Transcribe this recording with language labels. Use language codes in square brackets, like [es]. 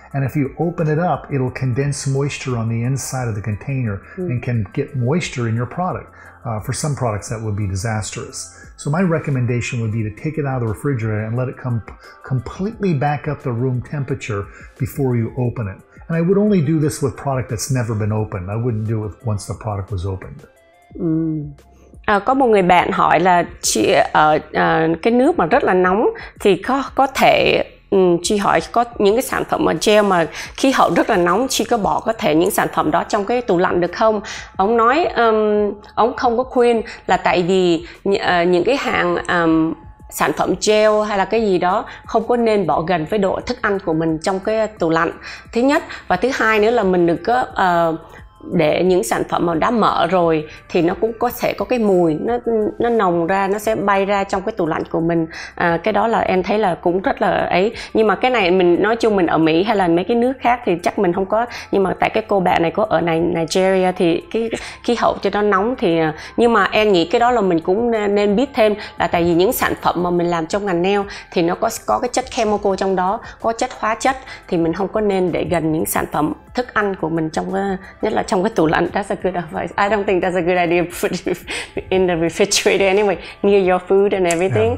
[en] And if you open it up, it'll condense moisture on the inside of the container and can get moisture in your product. For some products, that would be disastrous. So my recommendation would be to take it out of the refrigerator and let it come completely back up to room temperature before you open it. And I would only do this with product that's never been opened. I wouldn't do it once the product was opened. Mm. [vi] Có một người bạn hỏi là chị ở cái nước mà rất là nóng thì có thể chị hỏi có những cái sản phẩm mà gel mà khí hậu rất là nóng chị có bỏ có thể những sản phẩm đó trong cái tủ lạnh được không? Ông nói ông không có khuyên là tại vì những cái hàng sản phẩm gel hay là cái gì đó không có nên bỏ gần với độ thức ăn của mình trong cái tủ lạnh. Thứ nhất, và thứ hai nữa là mình đừng có để những sản phẩm mà đã mở rồi thì nó cũng có thể có cái mùi nó nồng ra, nó sẽ bay ra trong cái tủ lạnh của mình. Cái đó là em thấy là cũng rất là ấy, nhưng mà cái này mình nói chung mình ở Mỹ hay là mấy cái nước khác thì chắc mình không có, nhưng mà tại cái cô bạn này có ở Nigeria thì cái khí hậu cho nó nóng thì nhưng mà em nghĩ cái đó là mình cũng nên biết thêm, là tại vì những sản phẩm mà mình làm trong ngành nail thì nó có cái chất chemical trong đó, có chất hóa chất, thì mình không có nên để gần những sản phẩm thức ăn của mình trong nhất là trong cái tủ lạnh. [en] That's a good advice. I don't think that's a good idea to put in the refrigerator anyway, near your food and everything.